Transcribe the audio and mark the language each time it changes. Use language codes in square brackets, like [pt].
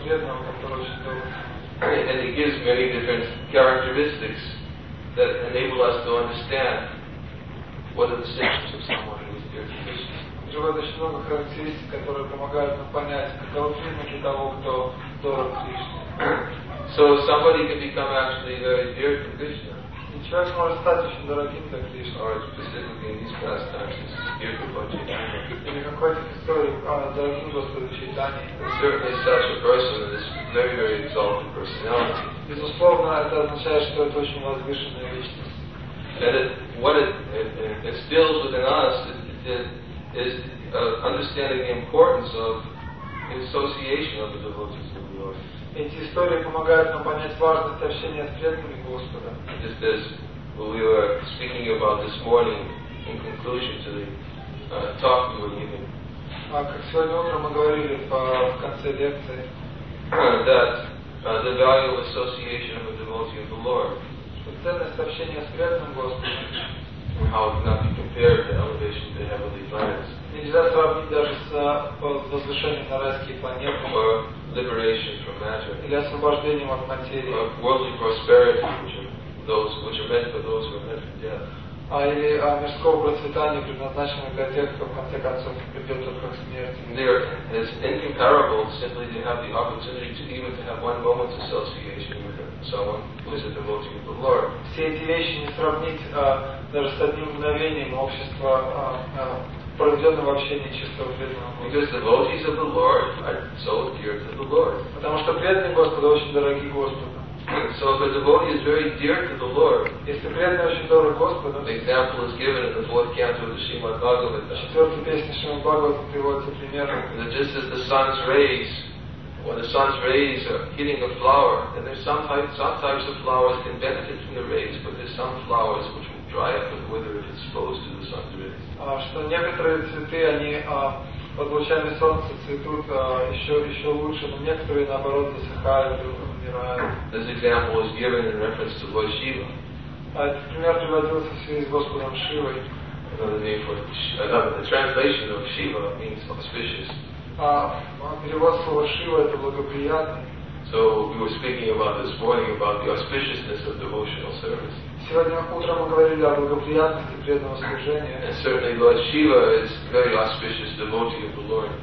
[en] And he gives many different characteristics that enable us to understand what are the symptoms of someone who is dear to Krishna. [ru] Живо достаточно много характеристик, которые помогают нам понять, каковы признаки того, кто дорог Кришне. [en] So somebody can become actually very dear to Krishna. [ru] И человек может стать очень дорогим для Кришны. [en] Or specifically in these past times, he's dear to Lord Chaitanya. [ru] Или какой-то историк, дорогим Господу Чайтанье. [en] Certainly such a person is very, very exalted personality. [ru] Безусловно, это означает, что это очень возвышенная личность. [en] And what it instills within us is understanding the importance of the association of the devotees of the Lord. [ru] Эти истории помогают нам понять важность общения с преданными Господа. [en] Just as we were speaking about this morning in conclusion to the talk we were giving. [ru] Как сегодня утром мы говорили в конце лекции. [en] That the value of association of the devotee of the Lord. [ru] Ценность общения с преданным Господом. [en] How it cannot be compared to elevation to heavenly planets. [ru] Нельзя сравнить даже с возвышением на райские планеты. [en] Or liberation from matter. [ru] Или освобождением от материи. [en] Or worldly prosperity, which are meant for those who are meant for death. [ru] А или мирского процветания, предназначенного для тех, кто в конце концов придет только к смерти. [en] There is incomparable simply to have the opportunity to even to have one moment's association with someone who is a devotee of the Lord. [ru] Все эти вещи не сравнить даже с одним мгновением общества проведенного общения чистого преданного Господа. [en] Because devotees of the Lord are so dear to the Lord. [ru] Потому что преданные Господа очень дороги Господу. [en] So if a devotee is very dear to the Lord, [ru] если преданный очень дорог Господу, [en] the example is given in the fourth canto of the Srimad Bhagavatam. [ru] Четвертая песня Шримад Бхагаватам приводится примером. [en] Just as the sun's rays, when the sun's rays are hitting a flower, and there's some types of flowers can benefit from the rays, but there's some flowers which will dry up and wither if exposed to the sun's rays. [ru] Что некоторые цветы, они под лучами солнца цветут еще лучше, но некоторые наоборот засыхают, умирают. [en] This example was given in reference to Lord Shiva. [ru] Этот пример приводился в связи с Господом Шивой. [en] The translation of Shiva means auspicious. [ru] Перевод слова Шива это благоприятный. [en] So we were speaking about this morning about the auspiciousness of devotional service. [ru] Сегодня утром мы говорили о благоприятности преданного служения. [en] And certainly Lord Shiva is very auspicious devotee of the Lord.